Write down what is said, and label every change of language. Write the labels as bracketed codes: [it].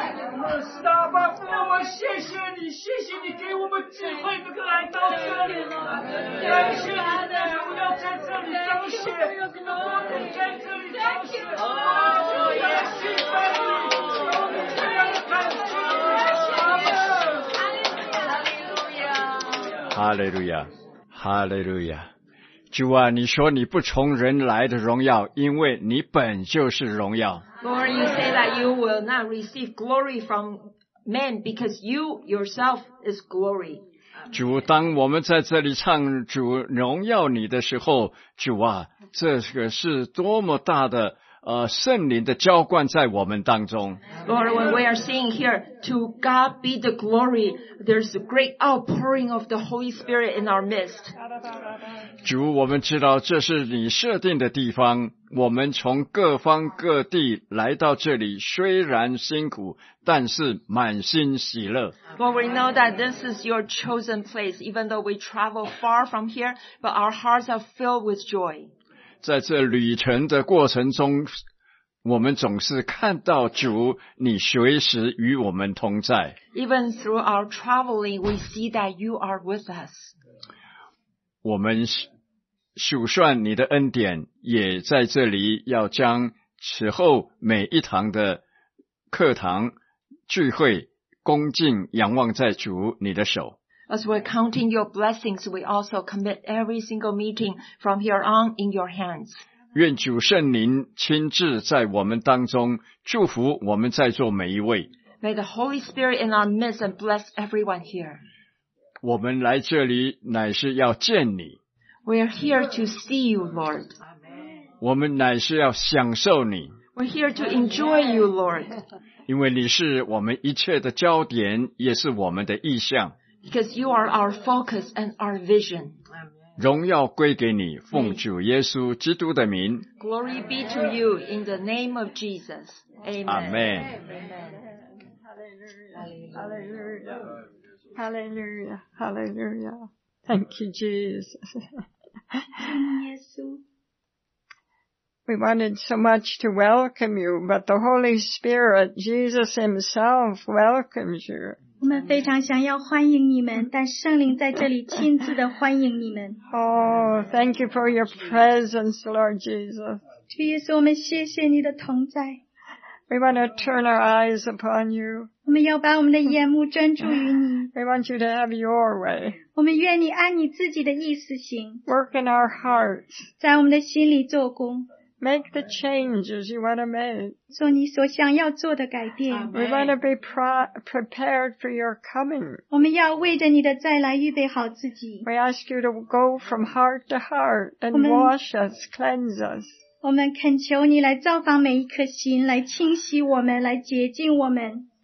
[zh] 我们是大巴夫，我们谢谢你，谢谢你给我们机会能够来到这里，感谢你，我要在这里彰显，我要在这里彰显，我也喜欢你。哈利路亚，哈利路亚，主啊，你说你不从人来的荣耀，因为你本就是荣耀。 [en] Lord, you say that you will not receive glory from men because you yourself is glory. [zh] 主，当我们在这里唱主荣耀你的时候，主啊，这个是多么大的圣灵的浇灌在我们当中。 [en] Lord, when we are singing here, to God be the glory, there's a great outpouring of the Holy Spirit in our midst. [zh] 主，我们知道这是你设定的地方，我们从各方各地来到这里，虽然辛苦，但是满心喜乐。 [en] Lord, we know that this is your chosen place, even though we travel far from here, but our hearts are filled with joy. [zh] 在这旅程的过程中，我们总是看到主，你随时与我们同在。 [en] Even through our traveling, we see that you are with us. [zh] 我们数算你的恩典，也在这里要将此后每一堂的课堂聚会恭敬仰望在主你的手。 [en] As we're counting your blessings, we also commit every single meeting from here on in your hands. [zh] 愿主圣灵亲自在我们当中祝福我们在座每一位。 [en] May the Holy Spirit in our midst and bless everyone here. [zh] 我们来这里乃是要见你。 [en] We are here to see you, Lord. [zh] 我们乃是要享受你。 [en] We're here to enjoy you, Lord. [zh] 因为你是我们一切的焦点，也是我们的意向。 [en] Because you are our focus and our vision. [zh] 荣耀归给你，奉主耶稣基督的名。 [en] Glory be to you in the name of Jesus. Amen. Amen. Hallelujah. Hallelujah. Hallelujah. Thank you, Jesus. Yes, we wanted so much to welcome you, but the Holy Spirit, Jesus Himself, welcomes you. [zh] 我们非常想要欢迎你们，但圣灵在这里亲自的欢迎你们。 [en] Oh, thank you for your presence, Lord Jesus. [zh] 主耶稣，我们谢谢你的同在。 [en] We want to turn our eyes upon you. [zh] 我们要把我们的眼目专注于你。 [en] We want you to have your way. [zh] 我们愿你按你自己的意思行。 [en] Work in our hearts. [zh] 在我们的心里做工。 [en] Make the changes you want to make. [zh] 做你所想要做的改变。 [en] We want to be prepared for your coming. [zh] 我们要为着你的再来预备好自己。 [en] We ask you to go from heart to heart and wash us, cleanse us. [zh] 我们恳求你来造访每一颗心，来清洗我们，来洁净我们。